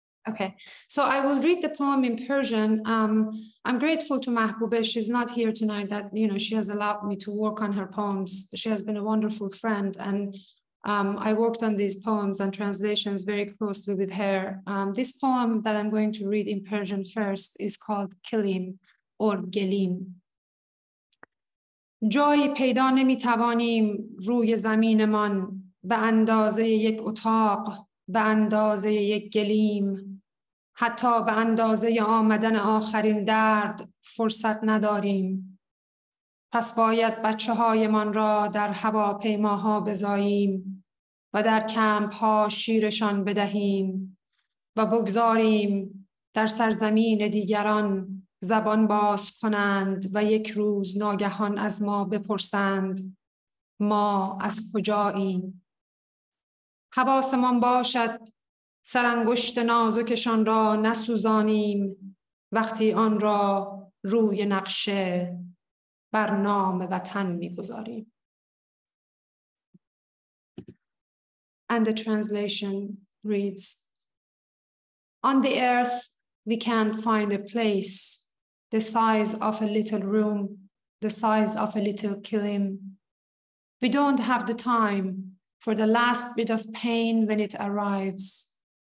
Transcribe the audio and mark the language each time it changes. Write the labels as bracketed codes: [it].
[en] Okay, so I will read the poem in Persian. I'm grateful to Mahbuba, she's not here tonight, that you know, she has allowed me to work on her poems. She has been a wonderful friend, and I worked on these poems and translations very closely with her. This poem that I'm going to read in Persian first is called Kilim or Gelim. [fa] جای پیدا نمیتوانیم روی زمینمان به اندازه یک اتاق، به اندازه یک گلیم، حتی به اندازه آمدن آخرین درد فرصت نداریم. پس باید بچه های من را در هواپیماها بزاییم و در کمپ ها شیرشان بدهیم و بگذاریم در سرزمین دیگران زبان باز کنند و یک روز ناگهان از ما بپرسند ما از کجاییم. حواسمان باشد سرانگشت نازکشان را نسوزانیم وقتی آن را روی نقشه بر نام وطن می‌گذاریم. [en] And the translation reads, on the earth we can't find a place the size of a little room, the size of a little kilim. We don't have the time for the last bit of pain when it arrives.